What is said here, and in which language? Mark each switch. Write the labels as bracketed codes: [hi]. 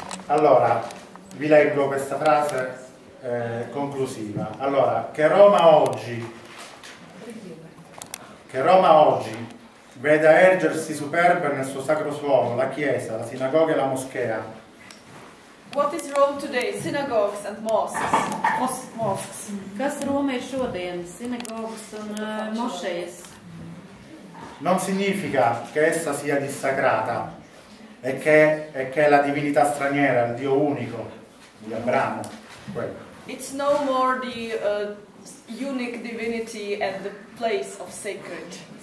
[it] Allora, vi leggo questa frase conclusiva. Allora, che Roma oggi veda ergersi superba nel suo sacro suolo, la chiesa, la sinagoga e la moschea. [en] What is Rome today? Synagogues and mosques. [lv] Kas Roma ir šodien? Sinagogas un mošejas. [it] Non significa che essa sia dissacrata e che la divinità straniera, il Dio unico di Abramo. [en] It's no more the unique divinity and the place of sacred.